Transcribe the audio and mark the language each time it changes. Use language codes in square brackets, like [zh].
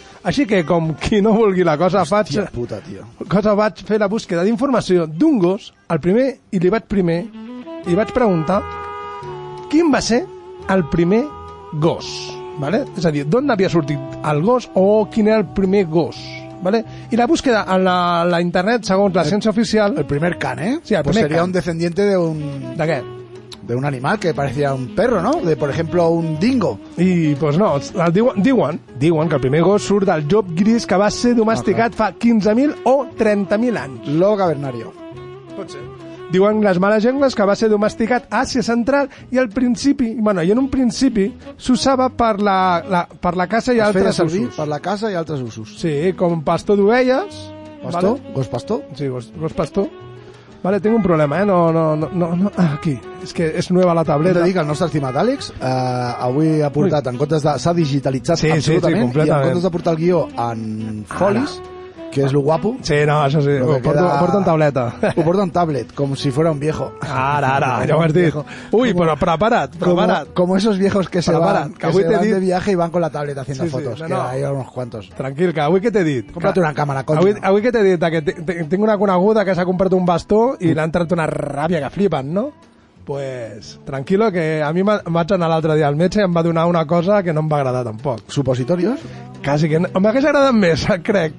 [ca] Així que, com qui no vulgui la cosa, vaig fer la búsqueda d'informació d'un gos, el primer, i li vaig primer, i vaig preguntar quin va ser el primer gos, vale? És a dir, d'on havia sortit el gos o quin era el primer gos. Vale? I la búsqueda a la internet, segons la ciència oficial... El primer can, eh? Sí, el primer [es] pues seria un descendiente de un... [ca] De què? [es] De un animal que parecía un perro, ¿no? De, por ejemplo, un dingo. [ca] I, pues no, diuen que el primer gos surt del llop gris que va ser domesticat fa 15.000 o 30.000 anys. [es] Lo cavernario. [ca] Pot ser. Diuen les males llengües que va ser domesticat a Àsia Central i al principi, bueno, i en un principi s'usava per la caça i altres usos. Per la caça i altres usos. Sí, com pastor d'ovelles, Pastor, vale. Gos Pastor. Sí, Gos Pastor. [es] Vale, tengo un problema, ¿eh? [ca] No. Aquí. És que és nueva la tableta. Hem de dir que el nostre estimat Àlex avui ha portat, en comptes de... S'ha digitalitzat sí, absolutament. Sí, sí, completament. I en comptes de portar el guió en folis, que és lo guapo... Sí, no, això sí. Ho queda... porto en tableta. Ho porto en tablet, com [es] si fuera un viejo. [ca] Ara, ja ho has dit. Ui, como, però preparat. [es] Como esos viejos que se van, que avui se van dit... de viaje y van con la tableta haciendo sí, fotos. Sí, no, que no. Hay unos cuantos. [ca] Tranquil, que avui què t'he dit? Comprate una càmera, conya. Avui què t'he dit? Que tinc una coneguda que s'ha comprat un bastó i l'ha entrat una ràbia que flipen, no? [es] Pues tranquilo, [ca] que a mi vaig anar l'altre dia al metge i em va donar una cosa que no em va agradar tampoc. [es] Supositorios? [ca] Quasi que no. M'hagués agradat més, crec.